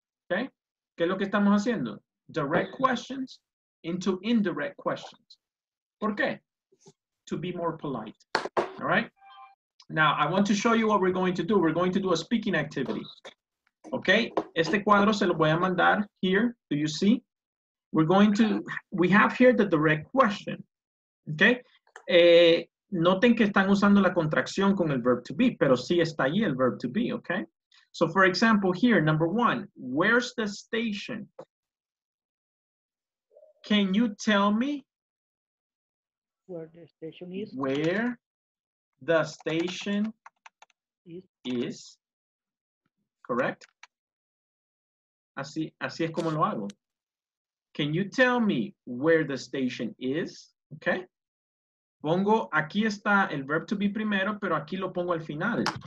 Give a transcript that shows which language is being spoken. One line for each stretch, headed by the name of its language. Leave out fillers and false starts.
Spanish: Okay, ¿qué es lo que estamos haciendo?
English: Direct questions into indirect questions.
Spanish: ¿Por qué?
English: To be more polite, all right? Now, I want to show you what we're going to do. We're going to do a speaking activity, okay?
Spanish: Este cuadro se lo voy a mandar
English: here. Do you see? We have here the direct question, okay?
Spanish: Noten que están usando la contracción con el verb to be, pero sí está ahí el verb to be, okay?
English: So, for example, here, number one, where's the station? Can you tell me? Where the station is. Where the station is. Correct?
Spanish: Así es como lo hago.
English: Can you tell me where the station is? Okay.
Spanish: Pongo, aquí está el verb to be primero, pero aquí lo pongo al final.